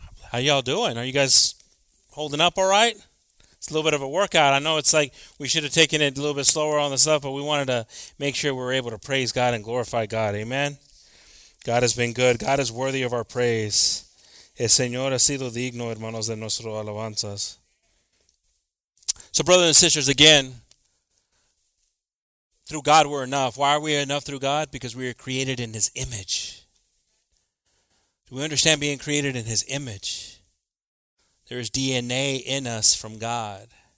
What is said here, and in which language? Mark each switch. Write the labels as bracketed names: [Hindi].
[English] How y'all doing? Are you guys holding up all right? It's a little bit of a workout. I know it's like we should have taken it a little bit slower on the stuff, but we wanted to make sure we're able to praise God and glorify God. Amen? God has been good. God is worthy of our praise. [Spanish] El Señor ha sido digno, hermanos, de nuestras alabanzas. [English] So, brothers and sisters, again, through God we're enough. Why are we enough through God? Because we are created in His image. We understand being created in His image. There is DNA in us from God.